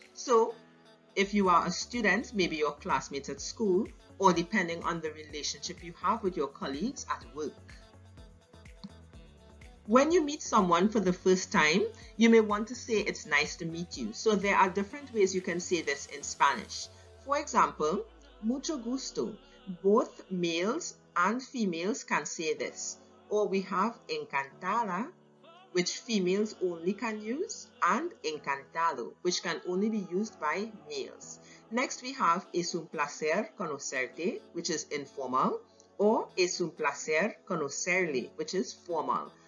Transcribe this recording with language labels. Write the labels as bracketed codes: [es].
[en] So if you are a student, maybe your classmates at school, or depending on the relationship you have with your colleagues at work. When you meet someone for the first time, you may want to say it's nice to meet you. So there are different ways you can say this in Spanish. For example, [es] mucho gusto. [en] Both males and females can say this. Or we have encantada, which females only can use, and encantado, which can only be used by males. Next we have [es] es un placer conocerte, [en] which is informal, or [es] es un placer conocerle, [en] which is formal.